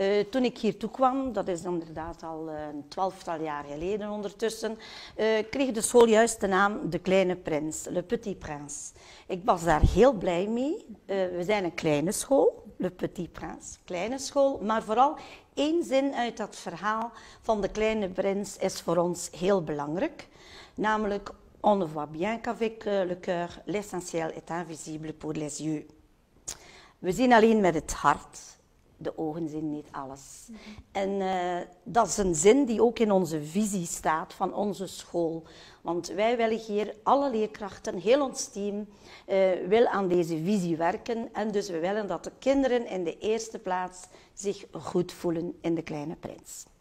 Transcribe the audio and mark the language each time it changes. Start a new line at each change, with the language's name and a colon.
Dutch: Toen ik hier toekwam, dat is inderdaad al een 12-tal jaar geleden ondertussen, kreeg de school juist de naam De Kleine Prins, Le Petit Prince. Ik was daar heel blij mee. We zijn een kleine school. Le Petit Prince, kleine school. Maar vooral één zin uit dat verhaal van de kleine prins is voor ons heel belangrijk.
French: Namelijk, on ne voit bien qu'avec le cœur, l'essentiel est invisible pour les yeux.
Dutch: We zien alleen met het hart, de ogen zien niet alles. Mm-hmm. En dat is een zin die ook in onze visie staat van onze school. Want wij willen hier, alle leerkrachten, heel ons team, wil aan deze visie werken. En dus we willen dat de kinderen in de eerste plaats zich goed voelen in de Kleine Prins.